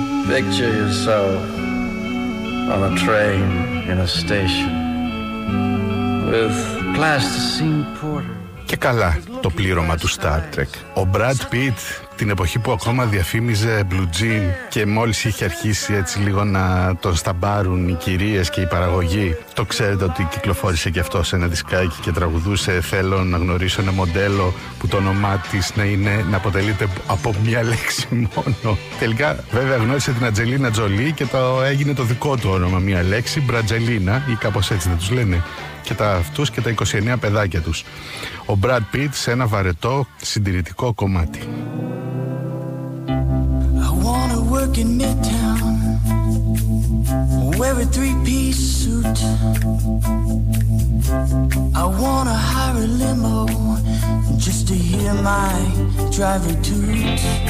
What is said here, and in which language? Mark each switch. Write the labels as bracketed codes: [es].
[en] picture yourself on a train in a station with plasticine porter. [el] Και καλά το πλήρωμα του Star Trek. Ο Brad Pitt, την εποχή που ακόμα διαφήμιζε Blue Jean και μόλις είχε αρχίσει έτσι λίγο να τον σταμπάρουν οι κυρίες και η παραγωγή, το ξέρετε ότι κυκλοφόρησε και αυτό σε ένα δισκάκι και τραγουδούσε «Θέλω να γνωρίσω ένα μοντέλο που το όνομά της να είναι, να αποτελείται από μία λέξη μόνο». Τελικά βέβαια γνώρισε την Ατζελίνα Τζολί και το έγινε το δικό του όνομα, μία λέξη, Μπρατζελίνα ή κάπως έτσι δεν τους λένε. Και τα αυτούς και τα 29 παιδάκια τους. Ο Brad Pitt σε ένα βαρετό συντηρητικό κομμάτι. [en] I wanna work in Midtown, wear a three-piece suit. I wanna hire a limo just to hear my driver toot.